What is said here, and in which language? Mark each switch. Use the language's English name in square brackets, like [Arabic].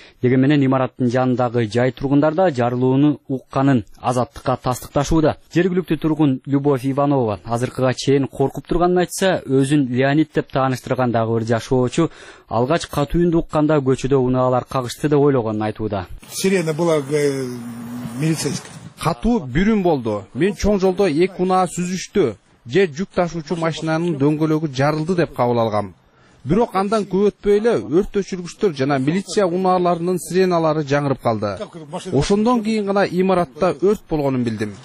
[Kyrgyz] Деген менен имараттын жанындагы жай тургундар да жарылууну укканын Азаттыкка тастыкташууда. Жергиликтүү тургун Любовь Иванова азыркыга чейин коркуп турганын айтса, өзүн Леонид деп тааныштырган дагы бир жашоочу алгач катууну укканда көчөдө унаалар кагышты деп ойлогонун айтууда. [Russian] Сирена была милицейская. [Kyrgyz] Катуу бүрүн болду. Мен чоң жолдо эки унаа сүзүштү же жүк ташуучу машинанын дөңгөлөгү жарылды деп кабыл алгам. Бирок андан көп өтпөй эле өрт өчүргүчтөр жана милиция унааларынын сиреналары жаңырып калды. Ошондон кийин гана имаратта өрт болгонун билдим.